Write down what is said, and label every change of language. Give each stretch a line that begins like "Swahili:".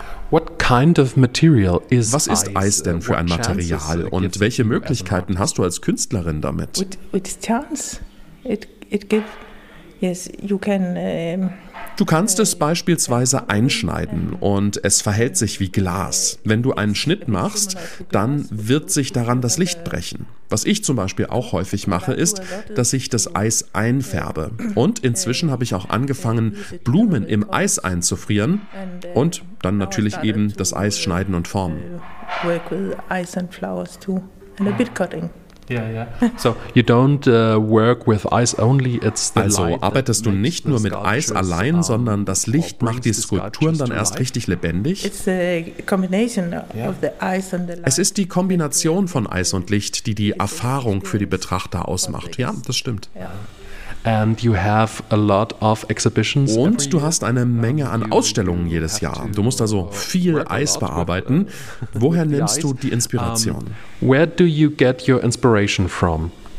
English: What kind of material is
German: Was ist Eis denn für ein Material und welche Möglichkeiten hast du als Künstlerin damit?
English: It's chance. It gives Yes, you can.
German: Du kannst es beispielsweise einschneiden und es verhält sich wie Glas. Wenn du einen Schnitt machst, dann wird sich daran das Licht brechen. Was ich zum Beispiel auch häufig mache, ist, dass ich das Eis einfärbe. Und inzwischen habe ich auch angefangen, Blumen im Eis einzufrieren und dann natürlich eben das Eis schneiden und formen.
English: Work with ice and flowers too and a bit cutting. Yeah, yeah. So you don't work with ice only, it's the
German: also arbeitest du nicht nur mit Eis allein, sondern das Licht macht die Skulpturen dann erst richtig lebendig?
English: It's a combination of the ice and the light.
German: Es ist die Kombination von Eis und Licht, die die Erfahrung für die Betrachter ausmacht. Ja, das stimmt.
English: And you have a lot of exhibitions.
German: Und du hast eine Menge an Ausstellungen jedes Jahr. Du musst also viel Eis bearbeiten. Woher nimmst du die Inspiration?
English: Where do you get your inspiration from?